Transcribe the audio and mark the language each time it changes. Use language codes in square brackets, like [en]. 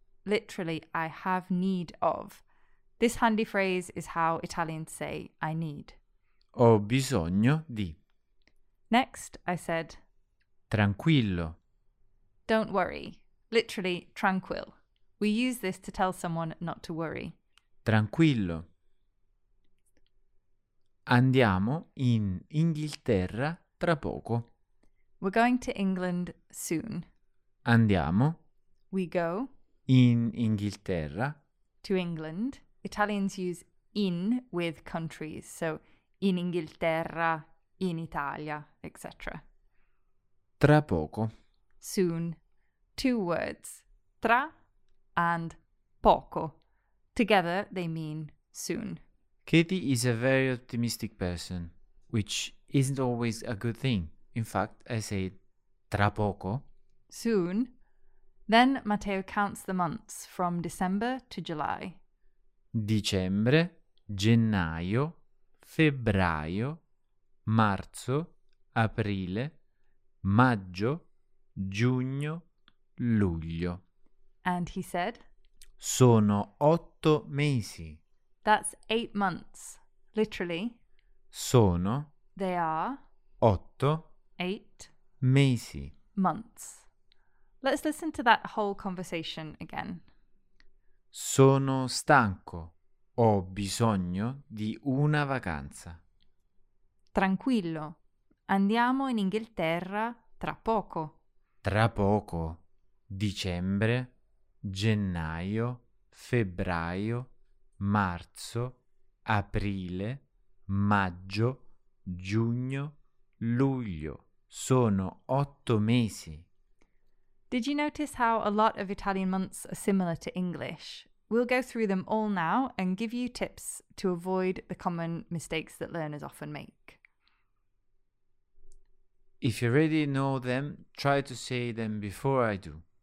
[en] Literally, I have need of. This handy phrase is how Italians say I need. [it] Ho bisogno di. [en] Next, I said, [it] tranquillo. [en] Don't worry. Literally, tranquil. We use this to tell someone not to worry. [it] Tranquillo. Andiamo in Inghilterra tra poco. [en] We're going to England soon. [it] Andiamo. [en] We go. [it] In Inghilterra. [en] To England. Italians use in with countries, so [it] in Inghilterra. In Italia, etc. Tra poco. [en] Soon. Two words. Tra and poco. Together, they mean soon. Katie is a very optimistic person, which isn't always a good thing. In fact, I say [it] tra poco. [en] Soon. Then Matteo counts the months from December to July. [it] Dicembre, gennaio, febbraio, marzo, aprile, maggio, giugno, luglio. [en] And he said? [it] Sono 8 mesi. [en] That's 8 months. Literally. [it] Sono. [en] They are. [it] 8. [en] 8. [it] Mesi. [en] Months. Let's listen to that whole conversation again. [it] Sono stanco. Ho bisogno di una vacanza. Tranquillo. Andiamo in Inghilterra tra poco. Tra poco. Dicembre, gennaio, febbraio, marzo, aprile, maggio, giugno, luglio. Sono 8 mesi. [en] Did you notice how a lot of Italian months are similar to English? We'll go through them all now and give you tips to avoid the common mistakes that learners often make. If you already know them, try to say them before I do.